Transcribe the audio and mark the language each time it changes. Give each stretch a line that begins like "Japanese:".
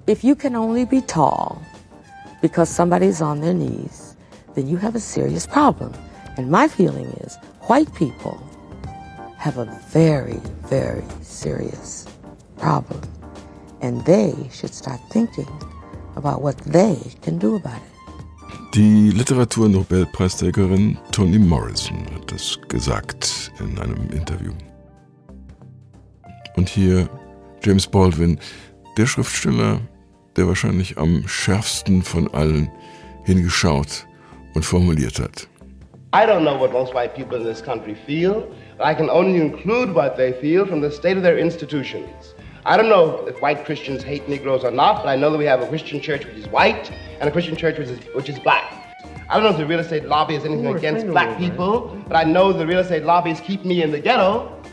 English: If you can only be tall because somebody's on their knees, then you have a serious problem. And my feeling is white people have a very, very serious problem. And they should start thinking about what they can do about it.
German: Die Literatur-Nobelpreisträgerin Toni Morrison hat das gesagt in einem Interview. Und hier James Baldwin, der Schriftsteller, der wahrscheinlich am schärfsten von allen hingeschaut und formuliert hat.
English: I don't know what most white people in this country feel. I can only include what they feel from the state of their institutions. I don't know if white Christians hate Negroes or not, but I know that we have a Christian church which is white and a Christian church which is black. I don't know if the real estate lobby is anything against black people, but I know the real estate lobbies keep me in the ghetto.